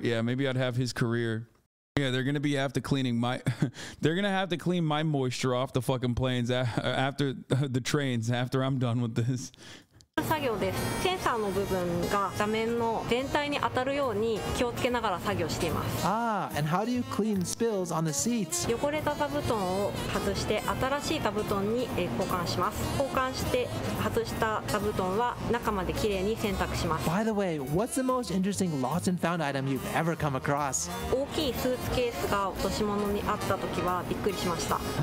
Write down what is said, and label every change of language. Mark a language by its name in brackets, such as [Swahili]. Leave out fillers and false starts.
[English] Yeah, maybe I'd have his career. Yeah, they're going to be after cleaning my... they're going to have to clean my moisture off the fucking planes after the trains after I'm done with this. And how do you clean spills on the seats? [Japanese] 汚れた座布団を外して新しい座布団に交換します。交換して外した座布団は中まで綺麗に洗濯します。 [English] By the way, what's the most interesting lost and found item you've ever come across? [Japanese] 大きいスーツケースが落とし物にあった時はびっくりしました。